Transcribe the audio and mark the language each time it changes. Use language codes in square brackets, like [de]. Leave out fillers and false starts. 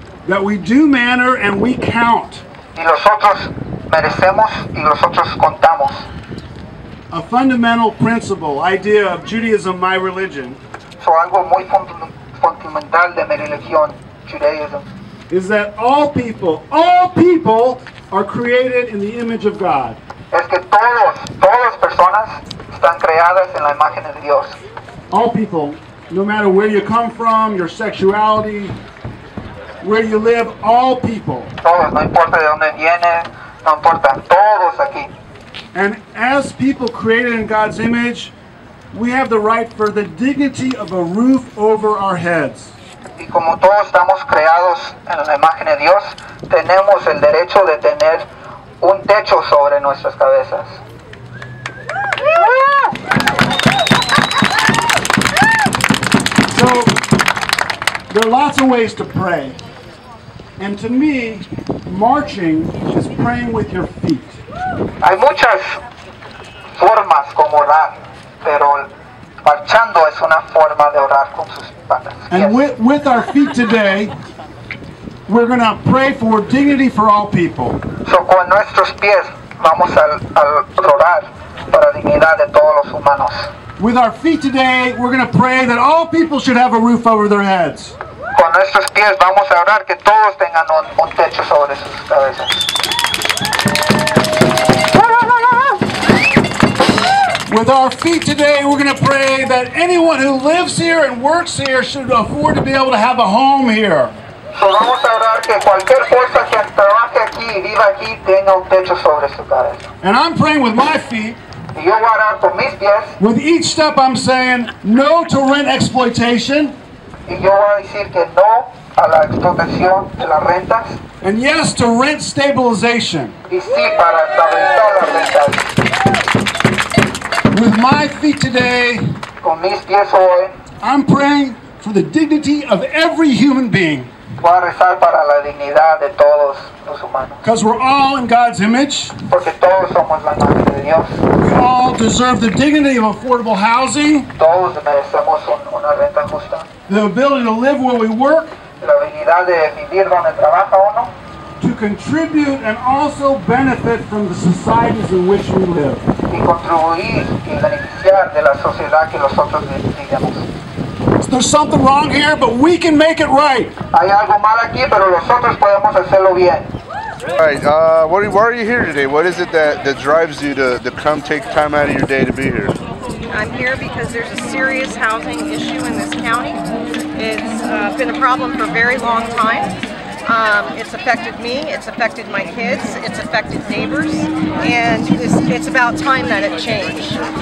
[en] That we do matter and we count. [es] Y nosotros merecemos y nosotros contamos. [en] A fundamental principle, idea of Judaism, my religion. [es] So algo muy fundamental de mi religión, Judaism. [en] Is that all people are created in the image of God. [es] Es que todas personas están creadas en la imagen de Dios. [en] All people, no matter where you come from, your sexuality, where you live, all people. [es] Todos, no importa de dónde viene, no importa, todos aquí. [en] And as people created in God's image, we have the right for the dignity of a roof over our heads. [es] Y como todos estamos creados en la imagen de Dios, tenemos el derecho de tener un techo sobre nuestras cabezas. [en] So, there are lots of ways to pray. And to me, marching is praying with your feet. [es] Hay muchas formas como orar, pero marchando es una forma de orar con sus patas. [en] And with our feet today, we're going to pray for dignity for all people. [es] So con nuestros pies vamos a orar para dignidad de todos los humanos. [en] With our feet today, we're going to pray that all people should have a roof over their heads. [es] Con nuestros pies vamos a orar que todos tengan un techo sobre sus cabezas. [en] With our feet today, we're going to pray that anyone who lives here and works here should afford to be able to have a home here. [es] So vamos a orar que cualquier persona que trabaje aquí, viva aquí, tenga un techo sobre su cabeza. [en] And I'm praying with my feet. [es] Y yo voy a orar con mis pies. [en] With each step I'm saying no to rent exploitation. [es] Y yo voy a decir que no a la explotación de las rentas. [en] And yes to rent stabilization. [es] Y sí para estabilizar las rentas. [en] With my feet today, [es] con mis pies hoy, [en] I'm praying for the dignity of every human being. [es] Voy a rezar para la dignidad de todos los humanos. [en] Because we're all in God's image. [es] Porque todos somos la imagen de Dios. [en] We all deserve the dignity of affordable housing. [es] Todos merecemos una renta justa. [en] The ability to live where we work. [es] La dignidad de vivir donde trabaja uno. [en] To contribute and also benefit from the societies in which we live. [es] Y contribuir y beneficiar de la sociedad que nosotros vivimos. [en] There's something wrong here, but we can make it right. [es] Hay algo mal aquí, pero nosotros podemos hacerlo bien. [en] All right, why are you here today? What is it that drives you to come take time out of your day to be here? I'm here because there's a serious housing issue in this county. It's been a problem for a very long time. It's affected me, it's affected my kids, it's affected neighbors, and it's about time that it changed.